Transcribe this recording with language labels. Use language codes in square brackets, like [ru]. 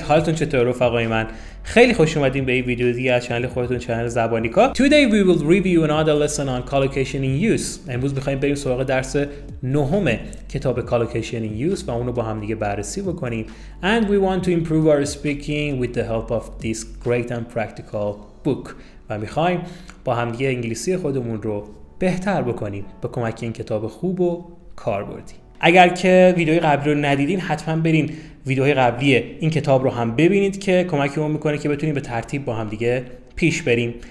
[fa] حالتون چطور رفقای من؟ خیلی خوش اومدین به این ویدیو دیگه از چنل خودتون چنل زبانیکا. [en] Today we will review another lesson on collocation in use. [fa] امروز می‌خوایم بریم سراغ درس نهم کتاب collocation in use و اونو با هم دیگه بررسی بکنیم. [en] And we want to improve our speaking with the help of this great and practical book. [fa] و می‌خوایم با هم دیگه انگلیسی خودمون رو بهتر بکنیم با کمک این کتاب خوب و کاربردی. اگر که ویدیوی قبلی رو ندیدین حتما برین ویدیوهای قبلی این کتاب رو هم ببینید که کمکمون میکنه که بتونیم به ترتیب با هم دیگه پیش بریم.